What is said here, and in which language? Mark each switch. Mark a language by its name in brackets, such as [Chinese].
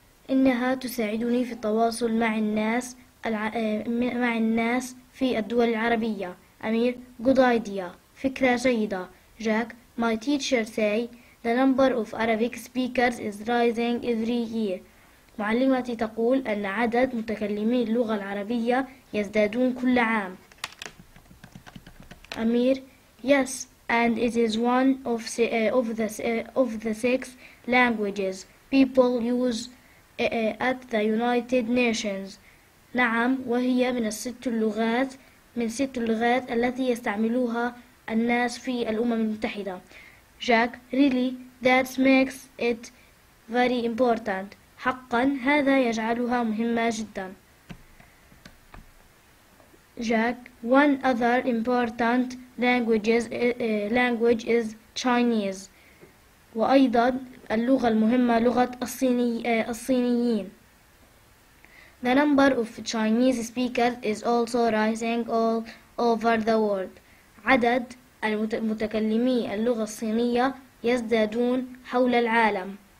[Arabic] إنها تساعدني في التواصل مع الناس في الدول العربية. [English] أمير, good idea. [Arabic] فكرة جيدة. [English] Jack, my teacher say the number of Arabic speakers is rising every year. [Arabic] معلمتي تقول أن عدد متكلمي اللغة العربية يزدادون كل عام. [English] أمير, Yes, and it is one of the six languages people use at the United Nations. [Arabic] نعم، وهي من ست اللغات التي يستعملوها الناس في الأمم المتحدة. [English] Jack, really, that makes it very important. [Arabic] حقا، هذا يجعلها مهمة جدا. [English] Jack, one other important language is Chinese. [Arabic] وأيضا اللغة المهمة لغة الصينيين. [English] The number of Chinese speakers is also rising all over the world. [Arabic] عدد المتكلمي اللغة الصينية يزدادون حول العالم.